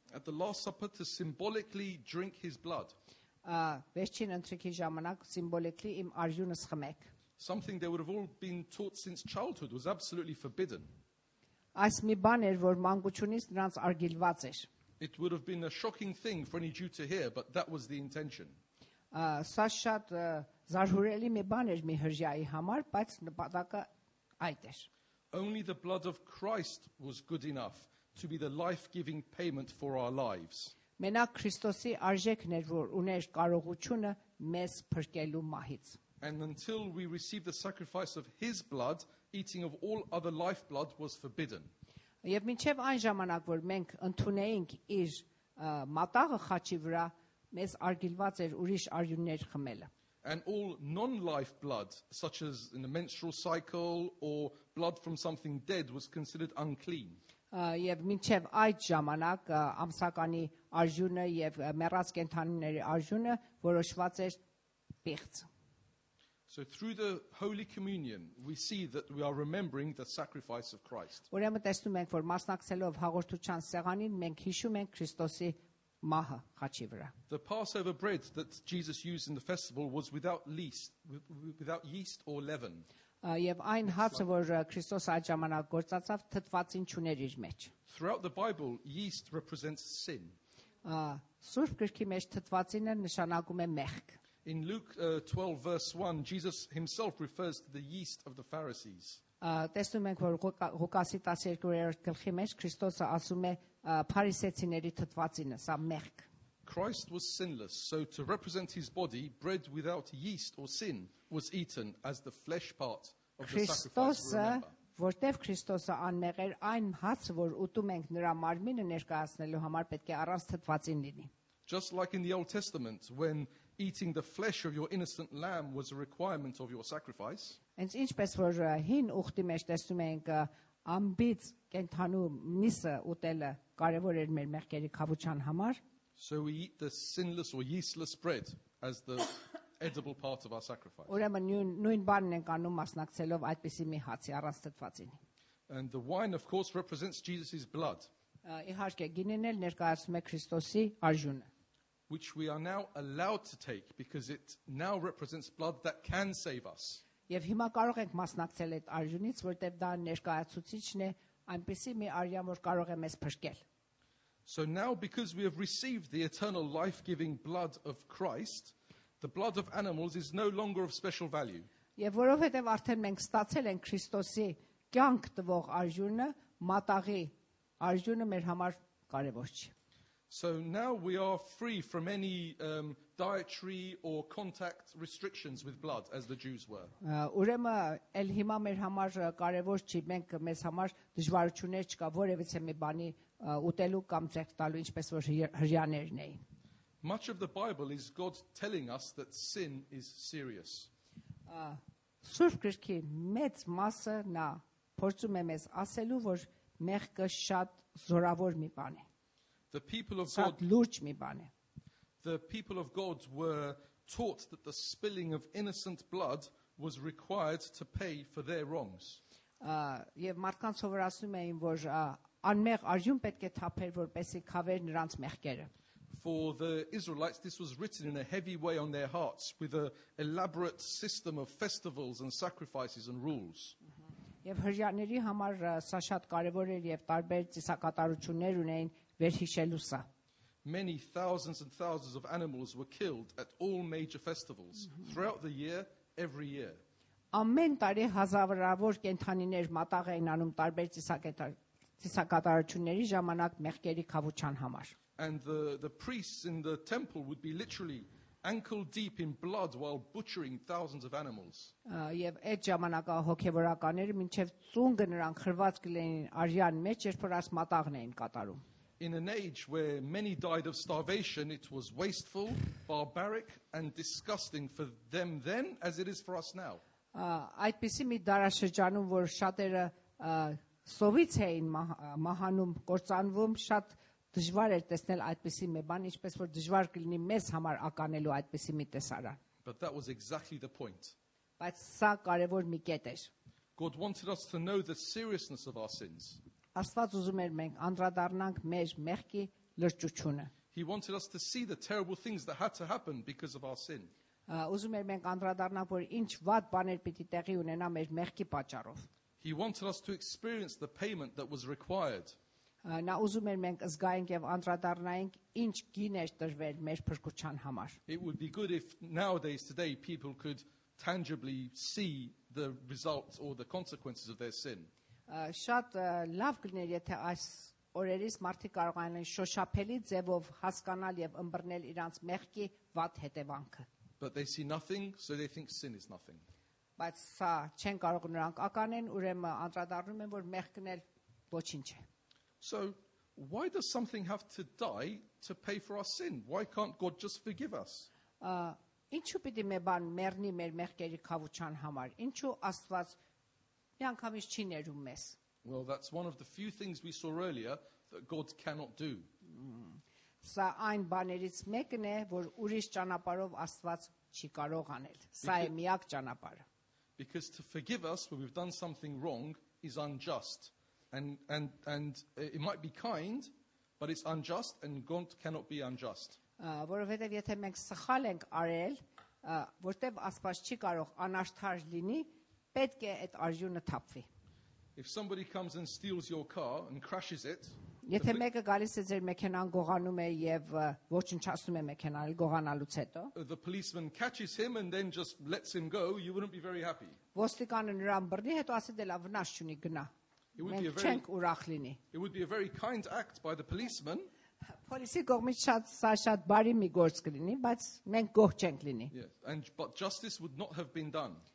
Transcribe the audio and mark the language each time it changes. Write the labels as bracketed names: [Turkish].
[English] at the Last Supper to symbolically drink his blood. [Armenian] Վերջին ընթրիքի ժամանակ սիմբոլիկլի իմ արյունս խմեք. [English] Something they would have all been taught since childhood was absolutely forbidden. [Armenian] Այս մի բան էր, որ մանկությունից նրանց արգելված էր. [English] It would have been a shocking thing for any Jew to hear, but that was the intention. [Armenian] Սա շատ զարհուրելի մի բան էր մի հրյայի համար, բայց նպատակը այդ էր. [English] Only the blood of Christ was good enough to be the life-giving payment for our lives. [Armenian] Մենակ Քրիստոսի արժեքն էր, որ ուներ կարողությունը մեզ փրկելու մահից. [English] And until we received the sacrifice of his blood, eating of all other life blood was forbidden. [Armenian] Եվ մինչև այն ժամանակ, որ մենք ընդունեինք իր մատաղը խաչի վրա, մեզ արգելված էր ուրիշ արյուններ խմելը. [English] And all non-life blood, such as in the menstrual cycle or blood from something dead, was considered unclean. [Armenian] Եվ մինչև այդ ժամանակ ամսականի արյունը եւ մեռած կենդանիների արյունը որոշված էր պիղծ. [English] So through the Holy Communion we see that we are remembering the sacrifice of Christ. [Armenian] Ուրեմն տեսնում ենք, որ մասնակցելով հաղորդության սեղանին մենք հիշում ենք Քրիստոսի մահը խաչի վրա. [English] The Passover bread that Jesus used in the festival was without yeast or leaven. [Armenian] Եվ այն հացը, որ Քրիստոս այդ ժամանակ գործածավ, թթվածին չուներ իր մեջ։ [English] Throughout the Bible, yeast represents sin. [Armenian] Սուրբ գրքի մեջ թթվածինը նշանակում է մեղք։ [English] In Luke 12 verse 1, Jesus himself refers to the yeast of the Pharisees. [Armenian] Տեսնում ենք, որ Ղուկասի 12-րդ գլխի մեջ Քրիստոսը ասում է Փարիսեցիների թթվածինը, սա մեղք։ [English] Christ was sinless, so to represent his body, bread without yeast or sin was eaten as the flesh part of the [Armenian] Christos-ը, [English] sacrifice. [Armenian] Որտեվ Քրիստոսը անմեղ էր, այն հացը, որ ուտում ենք նրա մարմինը ներկայացնելու համար, պետք է առանց թթվածին լինի. [English] Just like in the Old Testament, when eating the flesh of your innocent lamb was a requirement of your sacrifice. [Armenian] Այս ինչպես որ հին ուխտի մեջ տեսնում ենք ամբից կենթանու միսը ուտելը կարևոր էր մեր մեղքերի քավության համար. [English] So we eat the sinless or yeastless bread as the edible part of our sacrifice. [Armenian] Ուրեմն նույն բանն ենք անում մասնակցելով այդպիսի մի հացի առանց թթվածին. [English] And the wine of course represents Jesus's blood. [Armenian] Իհարկե գինն էլ ներկայացում է Քրիստոսի արժունը. [English] Which we are now allowed to take because it now represents blood that can save us. [Armenian] Եվ հիմա կարող ենք մասնակցել այդ արժունից, որտեղ դա ներկայացուցիչն է այնպիսի մի արյան, որ կարող է մեզ փրկել. [English] So now, because we have received the eternal life-giving blood of Christ, the blood of animals is no longer of special value. [Armenian] Եվ որովհետև արդեն մենք ստացել ենք Քրիստոսի կյանք տվող արժույնը, մատաղի արժույնը մեր համար կարևոր չի։ [English] So now we are free from any dietary or contact restrictions with blood as the Jews were. [Armenian] Ուրեմն, այլ հիմա մեր համար կարևոր չի, մենք մեզ համար դժվարություններ չկա որևիցե մի բանի ուտելու կամ ձեռք տալու, ինչպես որ հրյաներն էին։ [English] Much of the Bible is God telling us that sin is serious. [Armenian] Սուրբ գրքի մեծ մասը նա փորձում է մեզ ասելու, որ մեղքը շատ զորավոր մի բան է։ [English] The people of God, [Armenian] լուրջ մի բան է։ [English] The people of God were taught that the spilling of innocent blood was required to pay for their wrongs. [Armenian] Եվ մարդկանց սովորացնում էին, որ անմեղ արյուն պետք է թափեր, որպեսզի քավեր նրանց մեղքերը։ [English] For the Israelites, this was written in a heavy way on their hearts with an elaborate system of festivals and sacrifices and rules. [Armenian] Եվ հրյաների համար սա շատ կարևոր էր եւ տարբեր ծիսակատարություններ ունեին վերհիշելու սա։ [English] Many thousands and thousands of animals were killed at all major festivals throughout the year, every year. [Armenian] Ամեն տարի հազարավոր կենդանիներ մատաղ էին անում տարբեր ծիսակատարությունների ժամանակ մեղքերի քավության համար։ [English] And the priests in the temple would be literally ankle deep in blood while butchering thousands of animals. [Armenian] Եվ այդ ժամանակա հոգևորականները մինչև ծունգը նրանք խրված կլինեին արյան մեջ, երբ որ աս մատաղն էին կատարում։ [English] In an age where many died of starvation, it was wasteful, barbaric and disgusting for them then as it is for us now. [Armenian] Այդպիսի մի դարաշրջանում, որ շատերը սովից էին մահանում, կործանվում, շատ դժվար էր տեսնել այդպիսի մի բան, ինչպես որ դժվար կլինի մեզ համար ականելու այդպիսի մի տեսարան։ [English] But that was exactly the point. [Armenian] Բայց սա կարևոր մի կետ էր։ [English] God wanted us to know the seriousness of our sins. [Armenian] Աստված ուզում էր մենք անդրադառնանք մեր մեղքի լրջությունը։ [English] He wanted us to see the terrible things that had to happen because of our sin. [Armenian] Ուզում էր մենք անդրադառնանք, որ ինչ վատ բաներ պիտի տեղի ունենա մեր մեղքի պատճառով։ [English] He wanted us to experience the payment that was required. [Armenian] Նա ուզում էր մենք զգայինք եւ անդրադառնայինք ինչ գին էր տրվել մեր փրկության համար։ [English] It would be good if nowadays today people could tangibly see the results or the consequences of their sin. [Armenian] Շատ լավ կներ, եթե այս օրերից մարդիկ կարողանային շոշափելի ձևով հասկանալ եւ ըմբռնել իրանց մեղքի վատ հետևանքը։ [English] But they see nothing, so they think sin is nothing. [Armenian] Բայց սա չեն կարող նրանք ականեն, ուրեմն անդրադառնում են, որ մեղքն էլ ոչինչ է։ [English] So why does something have to die to pay for our sin? Why can't God just forgive us? [Armenian] Ինչու պիտի մի բան մեռնի մեր մեղքերի քավության համար? Ինչու Աստված միանգամից չի ներում մեզ? [English] Well, that's one of the few things we saw earlier that God cannot do. [Armenian] Սա այն բաներից մեկն է, որ ուրիշ ճանապարհով Աստված չի կարող անել։ Սա է միակ ճանապարհը։ [English] Because to forgive us when we've done something wrong is unjust. And it might be kind, but it's unjust, and God cannot be unjust. [Armenian] Որովհետև եթե մենք սխալ ենք արել, որտեղ Աստված չի կարող անարդար լինի, պետք է այդ արժույնը թափվի. [English] If somebody comes and steals your car and crashes it, [Armenian] եթե մեկը գալիս է ձեր մեքենան գողանում է եւ ոչնչացնում է մեքենան գողանալուց հետո, [English] the policeman catches him and then just lets him go, you wouldn't be very happy. [Armenian] Ոստիկանը նրան բռնի, հետո ասի դե լավ, վնաս չունի, գնա։ [English] It would be a very kind act by the policeman. [Armenian] Պոլիսի կողմից շատ բարի մի գործ կլինի, բայց մենք գող չենք լինի. [English] Yes, and but justice would not have been done.